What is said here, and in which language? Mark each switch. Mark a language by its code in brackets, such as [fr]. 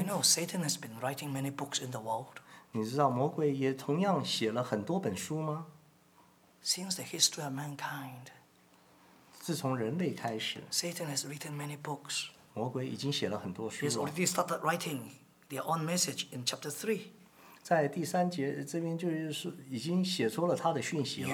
[en] You know, Satan has been writing many books in the world. [zh] 你知道魔鬼也同样写了很多本书吗 [en] ？Since the history of mankind. [zh] 自从人类开始 [en] ，Satan has written many books. [zh] 魔鬼已经写了很多书了。 [en] He's already started writing their own message in chapter 3. [zh] 在第三节这边就是已经写出了他的讯息了。